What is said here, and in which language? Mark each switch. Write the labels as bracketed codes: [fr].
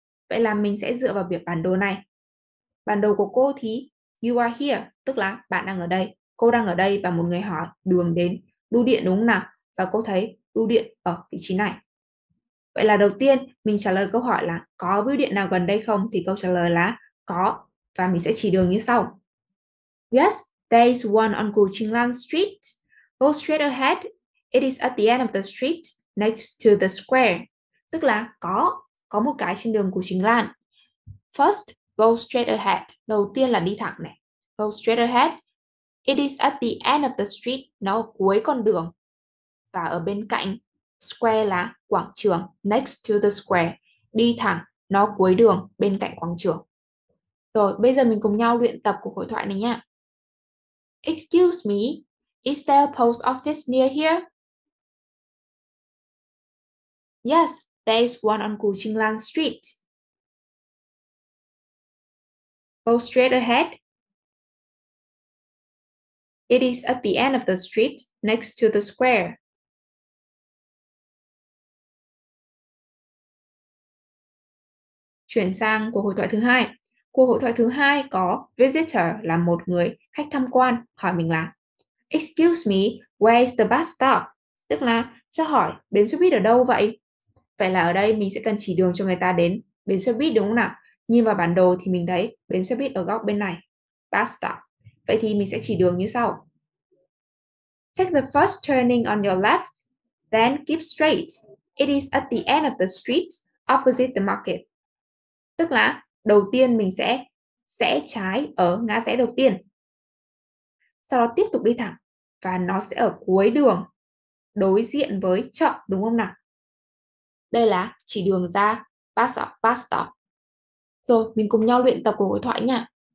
[vi] Vậy là mình sẽ dựa vào việc bản đồ này. Bản đồ của cô thì [en] you are here, [vi] tức là bạn đang ở đây. Cô đang ở đây và một người hỏi đường đến bưu điện đúng không nào? Và cô thấy bưu điện ở vị trí này. Vậy là đầu tiên, mình trả lời câu hỏi là có bưu điện nào gần đây không? Thì câu trả lời là có. Và mình sẽ chỉ đường như sau. [en] Yes, there is one on Cù Trinh Lan Street. Go straight ahead. It is at the end of the street next to the square. [vi] Tức là có một cái trên đường Cù Trinh Lan. [en] First, go straight ahead. [vi] Đầu tiên là đi thẳng này. [en] Go straight ahead. It is at the end of the street. [vi] Nó ở cuối con đường. Và ở bên cạnh square là quảng trường. [en] Next to the square. [vi] Đi thẳng. Nó cuối đường bên cạnh quảng trường. Rồi, bây giờ mình cùng nhau luyện tập của hội thoại này nha. [en] Excuse me, is there a post office near here? Yes, there is one on Cù Trinh Lan Street. Go straight ahead. It is at the end of the street, next to the square. [vi] Chuyển sang của hội thoại thứ hai. Cuộc hội thoại thứ hai có visitor là một người khách tham quan hỏi mình là [en] excuse me, where is the bus stop? [vi] Tức là cho hỏi bến xe buýt ở đâu vậy? Vậy là ở đây mình sẽ cần chỉ đường cho người ta đến bến xe buýt đúng không nào? Nhìn vào bản đồ thì mình thấy bến xe buýt ở góc bên này, bus stop. Vậy thì mình sẽ chỉ đường như sau. [en] Take the first turning on your left, then keep straight. It is at the end of the street, opposite the market. [vi] Tức là đầu tiên mình sẽ rẽ trái ở ngã rẽ đầu tiên. Sau đó tiếp tục đi thẳng và nó sẽ ở cuối đường đối diện với chợ đúng không nào? Đây là chỉ đường ra bus stop. Rồi, mình cùng nhau luyện tập của hội thoại nha.